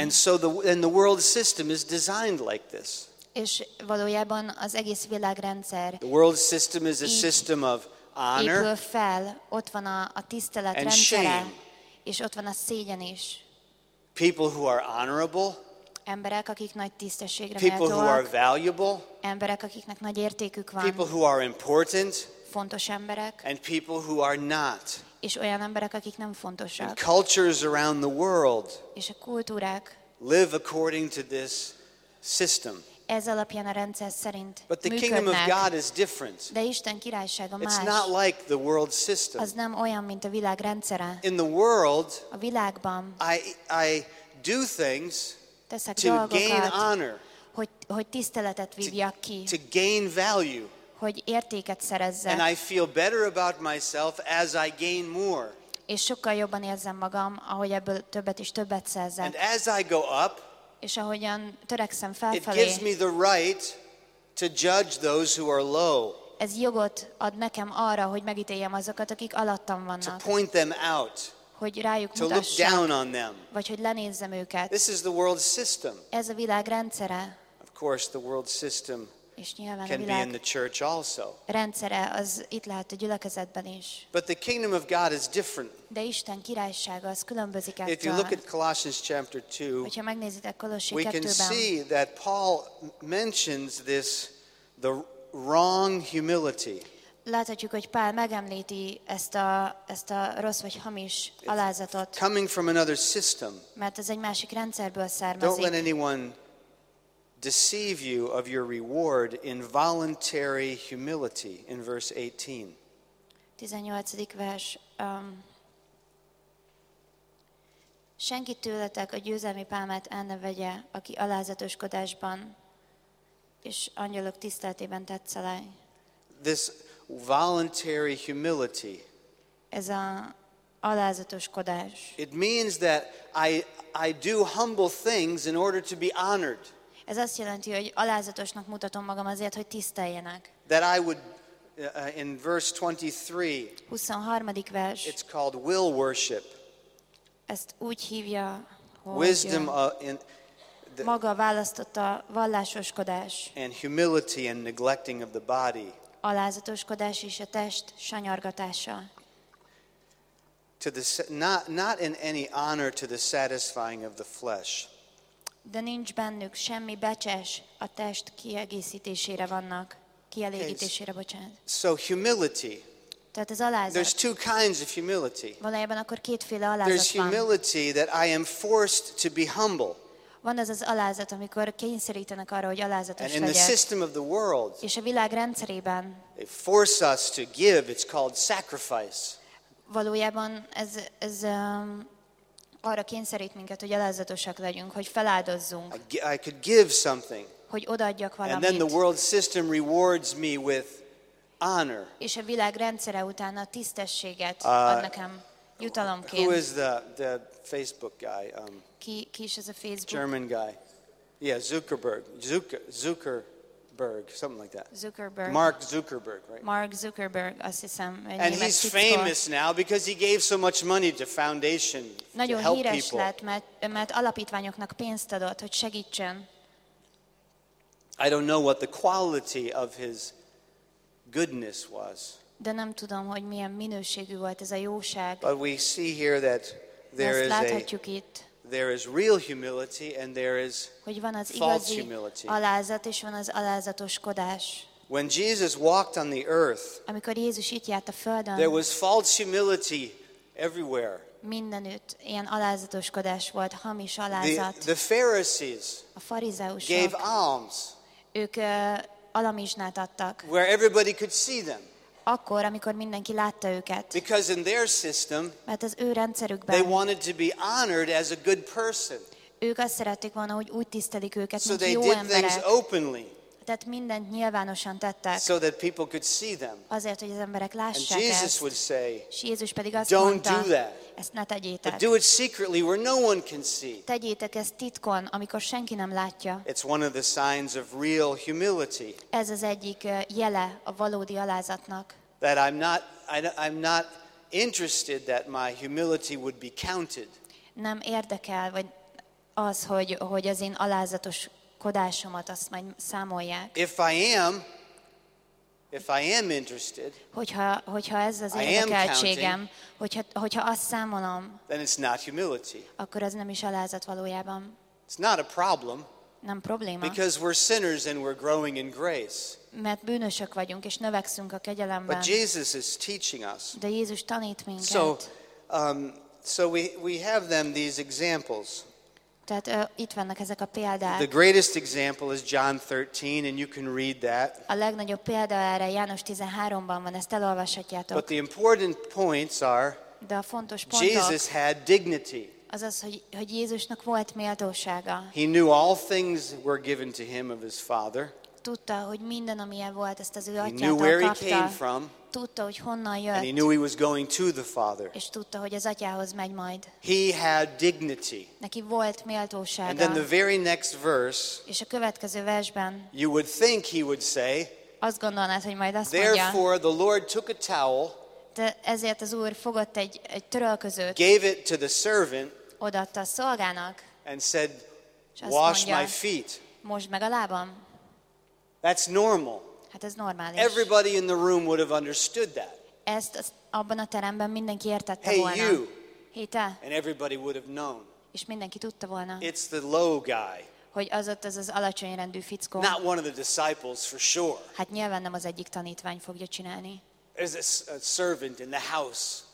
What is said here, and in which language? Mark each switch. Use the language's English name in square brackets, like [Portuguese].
[English] And so the world system is designed like this. [Hungarian] És valójában az egész világrendszer. [English] The world system is a system of honor. [Hungarian] Épül fel, ott van a tisztelet rendszere, és ott van a szégyen is. [English] People who are honorable, [Hungarian] emberek, akik nagy tisztességre méltóak, [English] people who are valuable, [Hungarian] emberek, akiknek nagy értékük van, [English] people who are important, [Hungarian] fontos emberek, [English] and people who are not, [Hungarian] és olyan emberek, akik nem fontosak. [English] And cultures around the world, [Hungarian] és a kultúrák, [English] live according to this system. [Hungarian] Ez alapján a rendszer szerint [English] but the [Hungarian] működnek. [English] Kingdom of God is different. [Hungarian] De Isten királysága más. [English] It's not like the world system. [Hungarian] Az nem olyan, mint a világ rendszere. [English] In the world, [Hungarian] a világban, [English] I do things [Hungarian] teszek [English] to [Hungarian] dolgokat, [English] gain honor, [Hungarian] hogy tiszteletet vívjak ki, [English] to gain value, [Hungarian] hogy értéket szerezzek. [English] And I feel better about myself as I gain more. [Hungarian] És sokkal jobban érzem magam, ahogy ebből többet is többet szerzek. [English] And as I go up, [Hungarian] és ahogyan törekszem felfelé, [English] it gives me the right to judge those who are low. [Hungarian] Ez jogot ad nekem arra, hogy megítéljem azokat, akik alattam vannak. [English] To point them out. [Hungarian] Hogy rájuk mutassam. [English] To look down on them. [Hungarian] Vagy hogy lenézzem őket. [English] This is the world system. [Hungarian] Ez a világ rendszere. [English] Of course, the world system can be in the church also. [Hungarian] Rendszere az itt lehet a gyülekezetben is. [English] But the kingdom of God is different. [Hungarian] De Isten királysága az különbözik ettől. [English] If you look at Colossians chapter 2, [Hungarian] hogyha megnézitek Kolossi 2-ben, [English] we can see that Paul mentions this, the wrong humility. [Hungarian] Láthatjuk, hogy Pál megemlíti ezt a rossz vagy hamis alázatot. [English] Coming from another system. [Hungarian] Mert ez egy másik rendszerből származik. [English] Don't let anyone deceive you of your reward in voluntary humility in verse 18. [Hungarian] 18. vers. Senki tőletek a győzelmi pálmát el ne vegye, aki alázatoskodásban és angyalok tiszteletében tetszelej. [English] This voluntary humility. [Hungarian] Ez a alázatoskodás. [English] It means that I do humble things in order to be honored. [Hungarian] Ez azt jelenti, hogy alázatosnak mutatom magam azért, hogy tiszteljenek. [English] That I would in verse 23. [Hungarian] 23. vers. [English] It's called will worship. [Hungarian] Ezt úgy hívja, hogy [English] wisdom in [Hungarian] the, maga választotta vallásoskodás. [English] And humility and neglecting of the body. [Hungarian] Alázatoskodás és a test sanyargatása. [English] To the not in any honor to the satisfying of the flesh. [Hungarian] De nincs bennük semmi becses a test kiegészítésére vannak, kielégítésére, bocsánat. [English] So humility. [Hungarian] Tehát ez alázat. [English] There's two kinds of humility. [Hungarian] Valójában akkor kétféle alázat van. [English] There's humility that I am forced to be humble. [Hungarian] Van ez az alázat, amikor kényszerítenek arra, hogy alázatos legyek. [English] And in the system of the world. [Hungarian] És a világ rendszerében. [English] They force us to give. It's called sacrifice. [Hungarian] Valójában ez arra kényszerít minket, hogy alázatosak legyünk, hogy feláldozzunk. [English] I could give something. [Hungarian] Hogy odaadjak valamit. [English] And then the world system rewards me with honor. [Hungarian] És a világ rendszere után a tisztességet ad nekem jutalomként. [English] Who is the Facebook guy? [Hungarian] Ki is ez a Facebook? [English] German guy. Yeah, Zuckerberg. Zuckerberg, something like that. [Hungarian] Zuckerberg. [English] Mark Zuckerberg, right? [Hungarian] Mark Zuckerberg, azt hiszem. [English] And he's famous now because he gave so much money to foundation [Hungarian] nagyon [English] to help [Hungarian] híres [English] people. [Hungarian] Lett, mert alapítványoknak pénzt adott, hogy segítsen. [English] I don't know what the quality of his goodness was. [Hungarian] De nem tudom, hogy milyen minőségű volt ez a jóság. [English] But we see here that there is [Hungarian] láthatjuk [English] a [Hungarian] itt. [English] There is real humility and there is false humility. [Hungarian] Alázat és van az alázatoskodás. [English] When Jesus walked on the earth, [Hungarian] amikor Jézus itt járt a földön, [English] there was false humility everywhere. [Hungarian] Mindenütt ilyen alázatoskodás volt, hamis alázat. [English] The Pharisees, [Hungarian] a farizeusok, [English] gave alms. [Hungarian] Ők alamizsnát adtak. [English] Where everybody could see them. [Hungarian] Akkor, amikor mindenki látta őket. [English] Because in their system, [Hungarian] mert az ő rendszerükben, [English] they wanted to be honored as a good person. [Hungarian] Ők azt szerették volna, hogy úgy tisztelik őket, [English] so [Hungarian] mint [English] they [Hungarian] jó [English] did [Hungarian] emberek. [English] Things openly. [Hungarian] Tehát mindent nyilvánosan tettek. [English] So that people could see them. [Hungarian] Azért, hogy az emberek lássák ezt. [English] Jesus would say, [Hungarian] Jézus pedig azt [English] don't [Hungarian] mondta, [English] do that. [Hungarian] Ezt ne tegyétek. [English] But do it secretly where no one can see. [Hungarian] Tegyétek ezt titkon, amikor senki nem látja. [English] It's one of the signs of real humility. [Hungarian] Ez az egyik jele a valódi alázatnak. [English] That I'm not interested that my humility would be counted. [Hungarian] Nem érdekel, vagy az, hogy az én alázatos kodásomat azt majd számolják. [English] If I am interested, [Hungarian] hogyha ez az érdekeltségem, hogyha azt számolom, [English] then it's not humility. [Hungarian] Akkor ez nem is alázat valójában. [English] It's not a problem. [Hungarian] Nem probléma. [English] Because we're sinners and we're growing in grace. [Hungarian] Mert bűnösök vagyunk és növekszünk a kegyelemben. [English] But Jesus is teaching us. [Hungarian] De Jézus tanít minket. [English] So we have them these examples. [Hungarian] Tehát itt vannak ezek a példák. [English] The greatest example is John 13, and you can read that. [Hungarian] A legnagyobb példa erre János 13-ban van, ezt elolvashatjátok. [English] But the important points are, [Hungarian] de a fontos pontok, [English] Jesus had dignity. [Hungarian] Azaz, hogy Jézusnak volt méltósága. [English] He knew all things were given to him of his Father. [Hungarian] Tudta, hogy minden, amilyen volt, ezt az ő atyától kapta. [English] He knew where he came from. [Hungarian] Tudta, hogy honnan jött. [English] And he knew he was going to the Father. [Hungarian] És tudta, hogy az atyához megy majd. [English] He had dignity. [Hungarian] Neki volt méltósága. [English] And then the very next verse. [Hungarian] És a következő versben. [English] You would think he would say. [Hungarian] Azt gondolnád, hogy majd azt mondja. [English] Therefore the Lord took a towel. [Hungarian] De ezért az Úr fogott egy törölközőt. [English] Gave it to the servant. [Hungarian] Odaadta a szolgának. [English] And said, wash my feet. [Hungarian] Mosd meg a lábam. [English] That's normal. [Hungarian] Hát ez normális. [English] Everybody in the room would have understood that. [Hungarian] Ezt abban a teremben mindenki értette [English] hey, [Hungarian] volna. [English] You. [Hungarian] Hey, te. [English] And everybody would have known. [Hungarian] És mindenki tudta volna. [English] It's the low guy. [Hungarian] Hogy az ott az alacsony rendű fickó. [English] Not one of the disciples for sure. [Hungarian] Hát nyilván nem az egyik tanítvány fogja csinálni. [English] There's a servant in the house.